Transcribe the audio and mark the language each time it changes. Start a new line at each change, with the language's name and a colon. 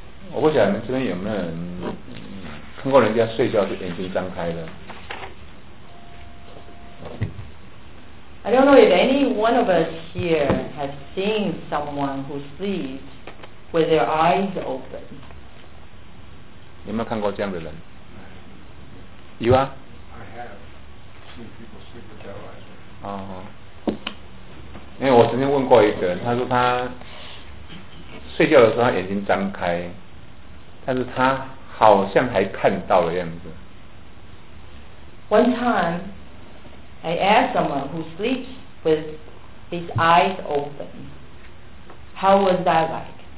Chinese: 我不晓得你们这边有没有人看过人家睡觉是眼睛张开的。
English: I don't know if any one of us here has seen someone who sleeps with their eyes open.
Chinese: 有没有看过这样的人？有啊。
English: I have seen people sleep with their eyes.
Chinese: 因为我曾经问过一个人，他说他睡觉的时候他眼睛张开，但是他好像还看到的样子。
English: One time, I asked someone who sleeps with his eyes open, how was that like?